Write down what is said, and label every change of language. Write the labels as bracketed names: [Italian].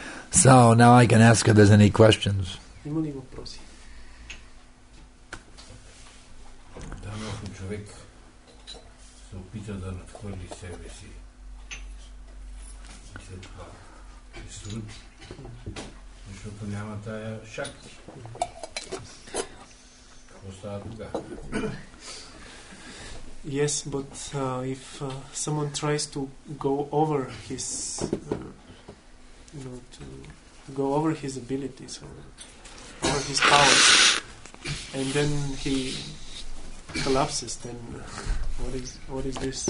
[English] So now I can ask if there's any questions. [Bulgarian] Има ли въпроси? Да, ако човек се опита да надхвърли себе си, след това е труд, защото няма тая шакти. [English] Yes, but if someone tries to go over his to go over his abilities or over his powers, and then he collapses, then what is this?